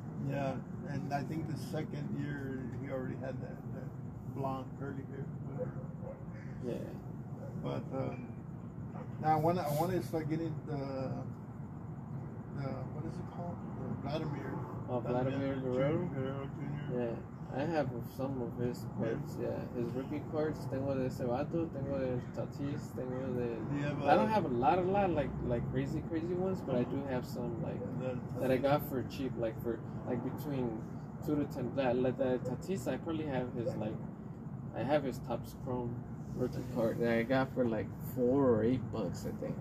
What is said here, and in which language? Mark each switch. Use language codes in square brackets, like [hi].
[en] yeah, and I think the second year he already had that blonde curly hair. Yeah. But now I want to start getting the what is it called? The Vladimir. Vladimir Guerrero Jr. Yeah, I have some of his cards. Yeah, his rookie cards. [es] Tengo de Cebato, tengo de Tatis, tengo de. [en] Yeah, I don't have a lot like crazy ones, but I do have some like that I got for cheap, like for like between 2 to 10. That Tatis, I probably have his I have his Topps Chrome rookie card that I got for like $4 or $8, I think.